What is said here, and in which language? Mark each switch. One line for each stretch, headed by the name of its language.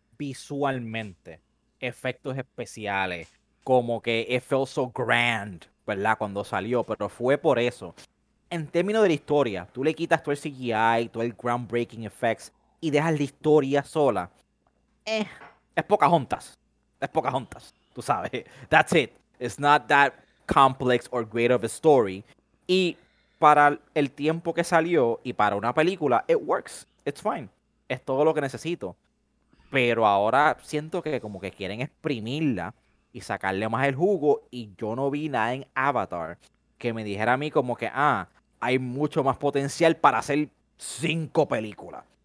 Spanish: Visualmente. Efectos especiales. Como que
English: it felt so grand.
Spanish: ¿Verdad? Cuando salió, pero fue por eso. En términos de la historia, tú le quitas todo el CGI, todo el
English: groundbreaking effects
Spanish: y dejas la historia sola. Es Pocahontas. Es Pocahontas. Tú sabes.
English: That's it. It's not that complex or great of a story.
Spanish: Y para el tiempo que salió y para una película,
English: it works. It's fine.
Spanish: Es todo lo que necesito. Pero ahora siento que como que quieren exprimirla y sacarle más el jugo, y yo no vi nada en Avatar que me dijera a mí como que, hay mucho más potencial para hacer 5 películas.